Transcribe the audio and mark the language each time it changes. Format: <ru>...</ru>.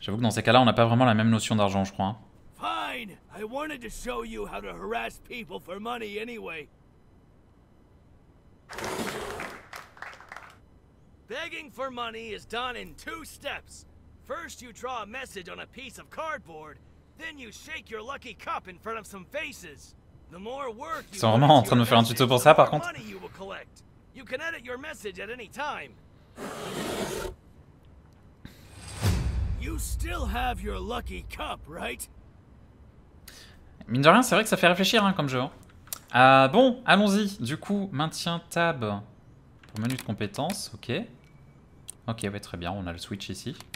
<fr>J'avoue que dans ces cas-là, on n'a pas vraiment la même notion d'argent, je crois.</fr> <en>Fine. I wanted to show you how to harass people for money anyway. Begging for money is done in two steps. First, you draw a message on a piece of cardboard, then you shake your lucky cup in front of some faces. The more work you...</en> <fr>Ils sont vraiment en train de me faire un tuto pour ça, par contre.</fr> <en>Money you will collect. You can edit your message at any time. You still have your lucky cup, right?</en> <fr>Mine de rien, c'est vrai que ça fait réfléchir hein, comme jeu. Bon, allons-y. Du coup, maintien tab pour menu de compétences. Ok. Ok, ouais, très bien. On a le switch ici.</fr>